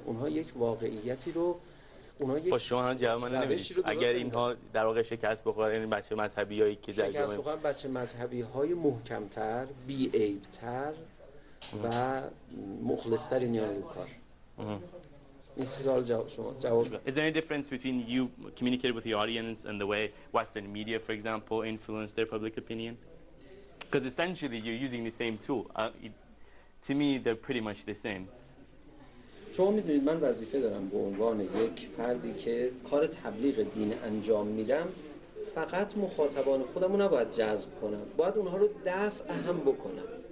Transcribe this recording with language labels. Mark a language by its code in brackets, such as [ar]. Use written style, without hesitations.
[fa] اونها یک واقعیتی رو با شما هم جواب من نمیدید. اگر اینها در واقع شکست بخورن، این بچه مذهبی هایی که در شکست بخورن، بچه مذهبی های محکمتر، بی عیبتر و مخلصتر نیان رو کار. این سوال جواب شما. [en] Is there any difference between you communicated with your audience and the way Western media, for example, influenced their public opinion? Because essentially you're using the same tool. To me, they're pretty much the same. [fa] شما میدونید من وظیفه دارم به عنوان یک فردی که کار تبلیغ دین انجام میدم، فقط مخاطبان خودم رو نباید جذب کنم، باید اونها رو دفع هم بکنم.